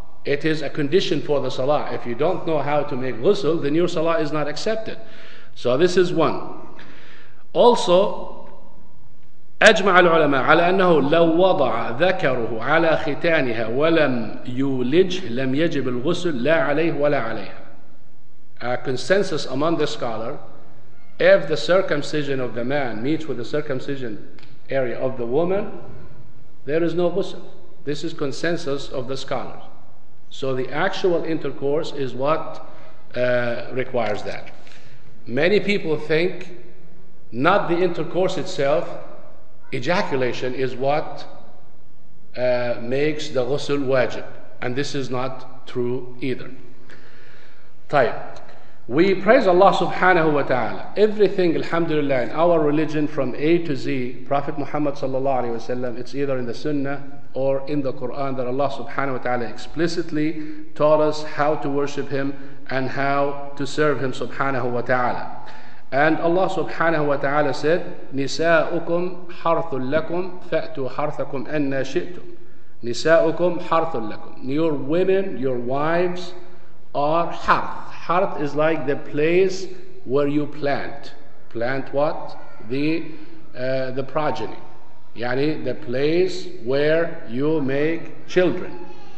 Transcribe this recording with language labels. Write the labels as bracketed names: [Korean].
[English] It is a condition for the salah. If you don't know how to make ghusl, then your salah is not accepted. So this is one. [Arabic] Also, أجمع العلماء على أنه لو وضع ذكره على ختانها ولم يولجه لم يجب الغسل لا عليه ولا عليها. [English] A consensus among the scholar, if the circumcision of the man meets with the circumcision area of the woman, there is no ghusl. This is consensus of the scholars. So the actual intercourse is what requires that. Many people think not the intercourse itself, ejaculation is what makes the ghusl wajib, and this is not true either. [Arabic] طيب. [English] We praise Allah subhanahu wa ta'ala. Everything, alhamdulillah, in our religion from A to Z, Prophet Muhammad sallallahu alayhi wa sallam, it's either in the sunnah or in the Quran that Allah subhanahu wa ta'ala explicitly taught us how to worship him and how to serve him subhanahu wa ta'ala. And Allah subhanahu wa ta'ala said, [Arabic] نساؤكم حرث لكم فأتوا حرثكم أنا شئتم. نساؤكم حرث لكم. [English] Your women, your wives are حرث. Harth is like the place where you plant. Plant what? The progeny. Yani the place where you make children.